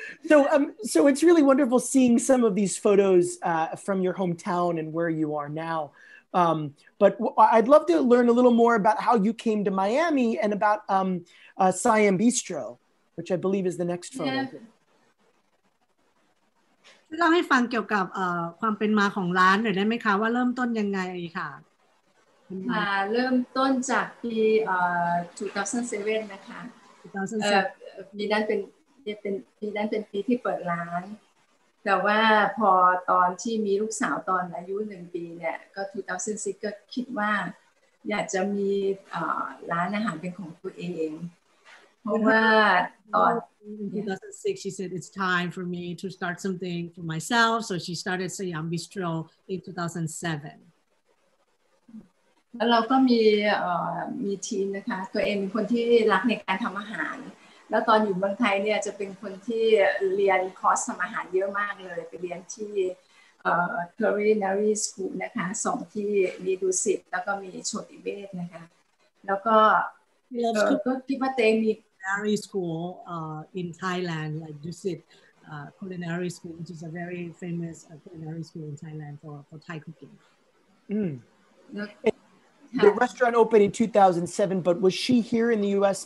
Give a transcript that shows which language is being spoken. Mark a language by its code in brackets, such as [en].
[en] So so it's really wonderful seeing some of these photos from your hometown and where you are now. But I'd love to learn a little more about how you came to Miami and about Siam Bistro, which I believe is the next photo. [th] เล่าให้ฟังเกี่ยวกับความเป็นมาของร้านหน่อยได้ไหมคะว่าเริ่มต้นยังไงค่ะ เริ่มต้นจากปี2007นะคะปีนั้นเป็นปีนั้นเป็นปีที่เปิดร้านแต่ว่าพอตอนที่มีลูกสาวตอนอายุ1ปีเนี่ยก็2006ก็คิดว่าอยากจะมีร้านอาหารเป็นของตัวเองเพราะว่าตอน [en] 2006 she said it's time for me to start something for myself so she started Siam Bistro in 2007 [th] แล้วเราก็มีทีมนะคะตัวเองเป็นคนที่รักในการทำอาหารแล้วตอนอยู่เมืองไทยเนี่ยจะเป็นคนที่เรียนคอร์สทำอาหารเยอะมากเลยไปเรียนที่culinary school นะคะสองที่มีดูสิตแล้วก็มีโชติเวศนะคะแล้วก็ ก็คิดว่าเต็มมี [en] culinary school in Thailand like ดูสิต culinary school which is a very famous culinary school in Thailand for Thai cooking The restaurant opened in 2007 but was she here in the U.S.